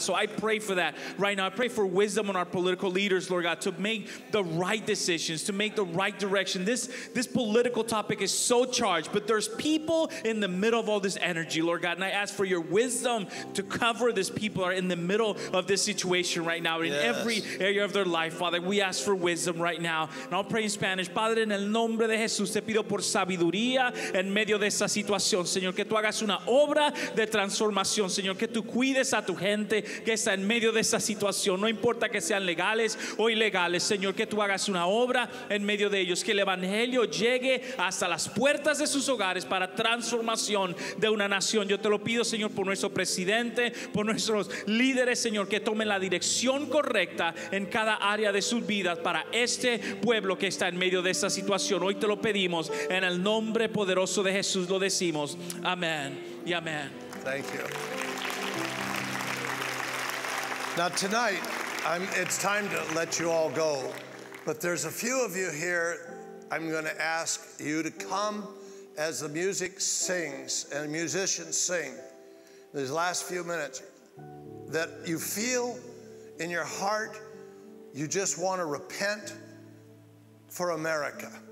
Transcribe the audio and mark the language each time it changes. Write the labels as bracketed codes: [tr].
[en] So I pray for that right now. I pray for wisdom on our political leaders, Lord God, to make the right decisions, to make the right direction. This political topic is so charged, but there's people in the middle of all this energy, Lord God, and I ask for your wisdom to cover this people who are in the middle of this situation right now, yes, in every area of their life, Father. We ask for wisdom right now, and I'll pray in Spanish. [es] Padre, en el nombre de Jesús, te pido por sabiduría en medio de esta situación, Señor, que tú hagas una obra de transformación, Señor, que tú cuides a tu gente que está en medio de esta situación, no importa que sean legales o ilegales, Señor, que tú hagas una obra en medio de ellos, que el evangelio llegue hasta las puertas de sus hogares para transformación de una nación. Yo te lo pido, Señor, por nuestro presidente, por nuestros líderes, Señor, que tomen la dirección correcta en cada área de sus vidas para este pueblo que está en medio de esta situación. Hoy te lo pedimos en el nombre poderoso de Jesús, lo decimos. Amén y amén. [en] Thank you. Now tonight, it's time to let you all go. But there's a few of you here, I'm going to ask you to come as the music sings and musicians sing these last few minutes, that you feel in your heart you just want to repent for America.